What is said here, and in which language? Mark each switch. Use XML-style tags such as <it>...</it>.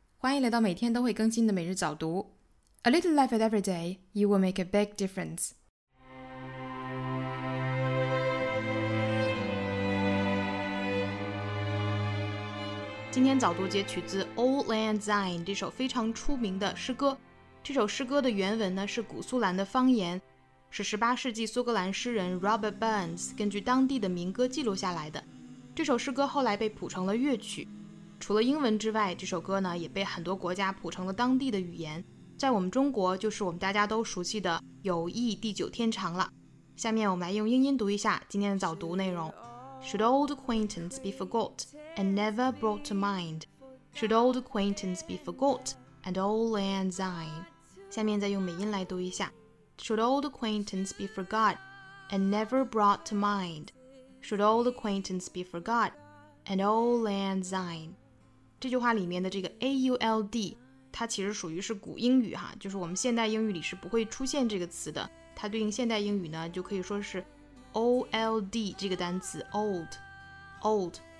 <zh>欢迎来到每天都会更新的每日早读。</zh> <en>A little effort every day, you will make a big difference.</en> <zh>今天早读截取自 Auld Lang Syne 这首非常出名的诗歌。这首诗歌的原文呢是古苏兰的方言，是18世纪苏格兰诗人 Robert Burns 根据当地的民歌记录下来的。这首诗歌后来被谱成了乐曲。除了英文之外，这首歌呢也被很多国家谱成了当地的语言，在我们中国就是我们大家都熟悉的《友谊地久天长》了。下面我们来用英音读一下今天的早读内容。</zh> <en>Should old acquaintance be forgot and never brought to mind? Should old acquaintance be forgot and auld lang syne?</en> <zh>下面再用美音来读一下。</zh> <en>Should old acquaintance be forgot and never brought to mind? Should old acquaintance be forgot and auld lang syne?</en> <zh>这句话里面的这个 AULD 它其实属于是古英语哈，就是我们现代英语里是不会出现这个词的，它对应现代英语呢就可以说是 OLD 这个单词 old, old。</zh>